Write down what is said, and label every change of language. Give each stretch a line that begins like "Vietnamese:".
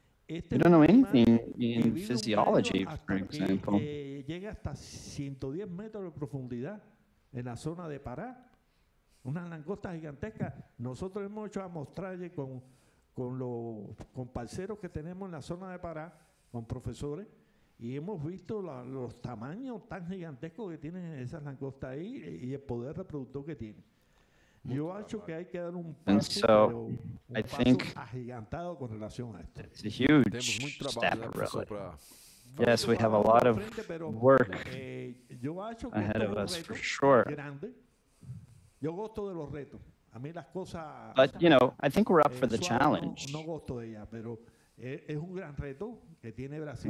English: You don't know anything in physiology, for example.
Spanish: Llega hasta 110 metros de profundidad en la zona de Pará. Una langosta gigantesca. Nosotros hemos hecho a mostrarle con parceros que tenemos en la zona de Pará, con profesores, y hemos visto los tamaños tan gigantescos que tienen esas langostas ahí y el poder reproductor que tienen. Yo acho que hay que dar un paso, agigantado con relación a esto.
English: It's a huge step, really. Yes, we have a lot of work ahead of us, for sure.
Spanish: Yo gosto de los retos. A mí las cosas,
English: but, you know, I think we're up for the challenge.
Spanish: No gosto de ella, pero es un gran reto que tiene Brasil.